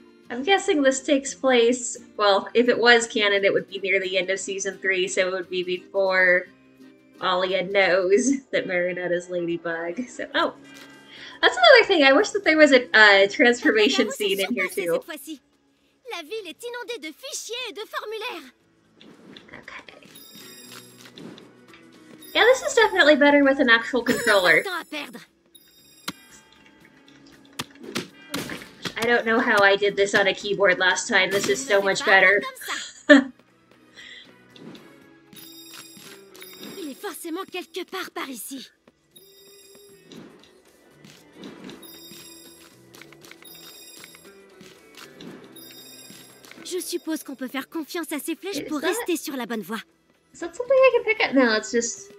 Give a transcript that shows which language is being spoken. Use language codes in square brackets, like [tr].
[en] I'm guessing this takes place, well, if it was canon, it would be near the end of season 3, so it would be before Alia knows that Marinette is Ladybug. So, oh, that's another thing. I wish that there was a transformation scene in here, too. [fr] La ville est inondée de fichiers et de formulaires. [en] Okay. Yeah, this is definitely better with an actual controller. I don't know how I did this on a keyboard last time. This is so much better. [fr] Il est forcément quelque part par ici. Je suppose qu'on peut faire confiance à ces flèches pour rester sur la bonne voie. [en] Is that something I can pick up? No, it's just